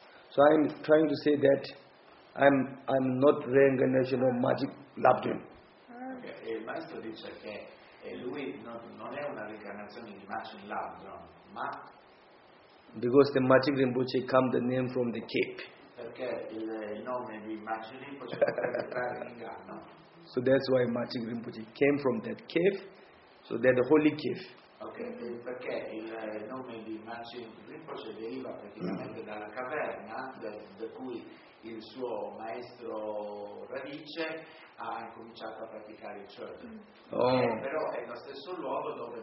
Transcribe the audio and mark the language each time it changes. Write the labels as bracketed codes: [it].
[en] So I'm trying to say that I'm not reincarnation of Majin Labjun. [it] Okay. E il maestro dice che lui non è una reincarnazione di Majin Labjun, ma [en] because the Majin Rinpoche come the name from the cape. [it] Perché il nome di Majin Rinpoche è no? [en] So that's why Majin Rinpoche came from that cave. So they're the holy cave. [it] Okay, perché il nome di Majin Rinpoche deriva praticamente dalla caverna da cui il suo maestro radice ha cominciato a praticare il cielo. Oh. Però è lo stesso luogo dove